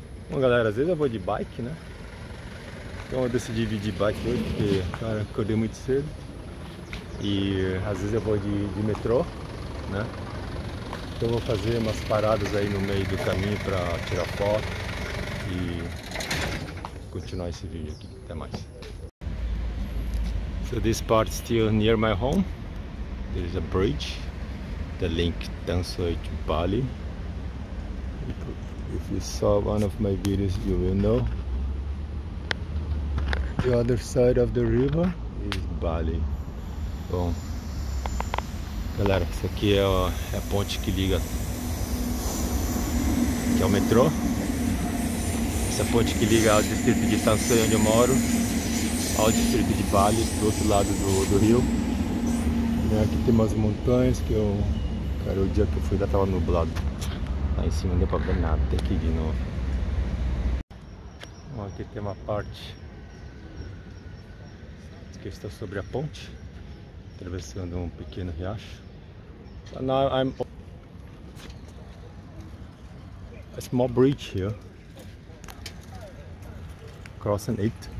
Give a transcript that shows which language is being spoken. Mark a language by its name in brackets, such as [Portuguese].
[Portuguese] Bom, galera, às vezes eu vou de bike, né? Então eu decidi vir de bike hoje porque, cara, acordei muito cedo. E às vezes eu vou de metrô, né? Então eu vou fazer umas paradas aí no meio do caminho para tirar foto e continuar esse vídeo aqui. Até mais. [English] So this part still near my home. There is a bridge that links Tansoi to Bali. If you saw one of my videos, you will know. The other side of the river is Bali. [Portuguese] Bom, galera, isso aqui é a ponte que liga, que é o metrô. Essa ponte que liga ao distrito de Tansoi, onde eu moro, ao distrito de Bali, do outro lado do rio. E aqui tem umas montanhas que eu... Cara, o dia que eu fui já tava nublado. Lá em cima não deu pra ver nada, tem que ir de novo. Bom, aqui tem uma parte que está sobre a ponte, atravessando um pequeno riacho. [English] So now I'm a small bridge here, crossing it.